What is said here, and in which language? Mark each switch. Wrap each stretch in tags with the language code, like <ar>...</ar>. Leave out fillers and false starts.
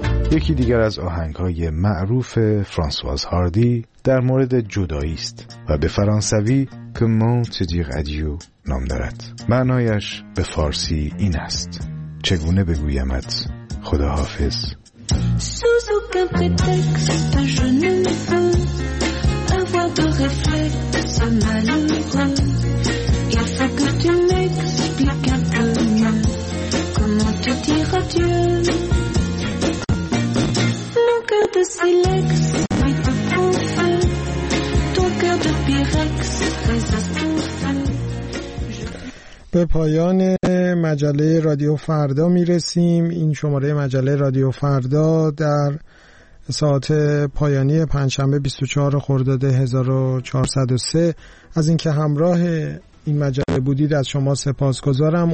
<fa>یکی دیگر از آهنگ‌های معروف فرانسواز هاردی در مورد جدایی است و به فرانسوی</fa> <fr>Comment te dire adieu</fr> <fa>نام دارد. معنایش به فارسی این است: چگونه بگویمت خداحافظ.</fa> <fr>Sous aucun prétexte je ne veux avoir de réflexes malheureux. Il faut que tu m'expliques un peu mieux comment te dire adieu. Mon cœur de silex est un peu feu. Ton cœur de pyrex</fr> <fa>به پایان مجله رادیو فردا می رسیم. این شماره مجله رادیو فردا در ساعت پایانی پنجشنبه 24 خرداد 1403. از اینکه همراه این مجله بودید از شما سپاسگزارم.</fa>